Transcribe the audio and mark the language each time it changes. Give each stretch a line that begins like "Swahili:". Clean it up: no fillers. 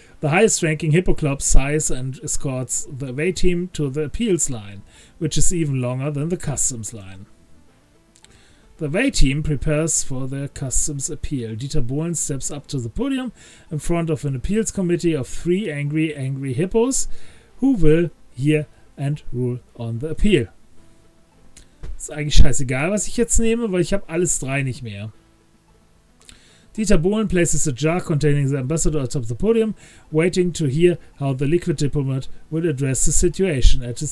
English: The highest ranking Hippoclops sighs and escorts the away team to the appeals line, which is even longer than the customs line. The away team prepares for their customs appeal. Dieter Bohlen steps up to the podium in front of an appeals committee of three angry, angry hippos who will hear and rule on the appeal.
German: Ist eigentlich scheißegal, was ich jetzt nehme, weil ich habe alles drei nicht mehr.
English: Dieter Bohlen places a jar containing the ambassador atop the podium, waiting to hear how the liquid diplomat will address the situation.